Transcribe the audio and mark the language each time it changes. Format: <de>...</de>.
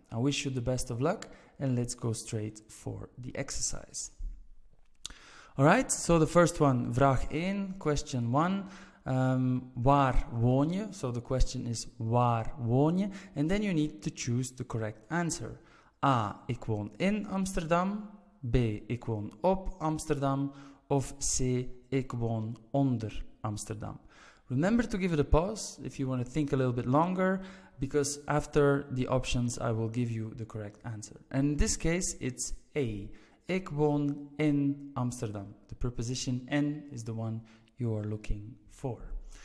<en>I wish you the best of luck, and let's go straight for the exercise. All right, so the first one,</en> <nl>vraag 1,</nl> <en>question 1.</en> <nl>Waar woon je?</nl> <en>So the question is</en> <nl>waar woon je?</nl> <en>And then you need to choose the correct answer.</en> <nl>A, ik woon in Amsterdam. B, ik woon op Amsterdam. Of C, ik woon onder Amsterdam.</nl> <en>Remember to give it a pause if you want to think a little bit longer, because after the options I will give you the correct answer. And in this case it's A.</en> <nl>Ik woon in Amsterdam.</nl> <en>The preposition in is the one you are looking for.</en>